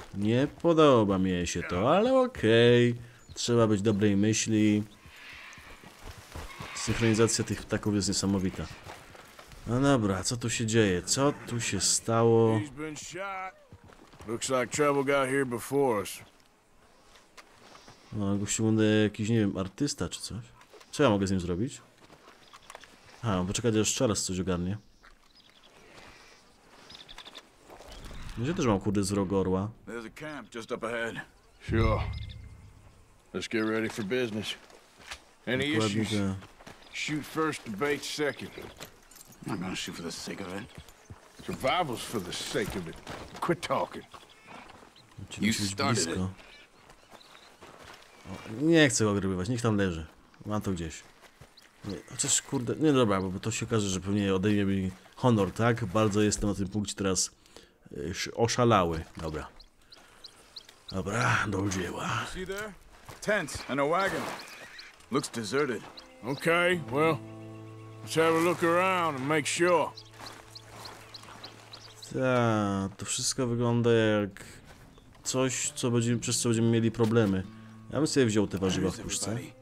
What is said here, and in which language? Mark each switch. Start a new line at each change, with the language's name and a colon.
Polish: Nie podoba mi się to, ale okej. Okay. Trzeba być dobrej myśli. Synchronizacja tych ptaków jest niesamowita. No dobra, co tu się dzieje? Co tu się stało?
English: Looks like trouble got here before us.
Polish: No, gościu, będę jakiś, nie wiem, artysta czy coś. Co ja mogę z nim zrobić? A, poczekaj, aż Charles coś ogarnie. Gdzie też mam kurde z rogu orła?
English: There's a camp just up ahead. Sure. Let's get ready for business. Any issues? Shoot first, debate second. I'm not gonna shoot for the sake of it. Survival's for the sake of it. Quit talking. You started it.
Polish: Nie chcę go ogrywać, niech tam leży. Mam to gdzieś. Chociaż kurde, nie dobra, bo to się okaże, że pewnie odejmie mi honor, tak? Bardzo jestem na tym punkcie teraz oszalały. Dobra. Dobra, do dzieła.
English: Tent and a wagon. Looks deserted. Okay, well, let's have a look around and make sure.
Polish: Ta, to wszystko wygląda jak coś, co będziemy, przez co będziemy mieli problemy. Ja bym sobie wziął te warzywa w puszce.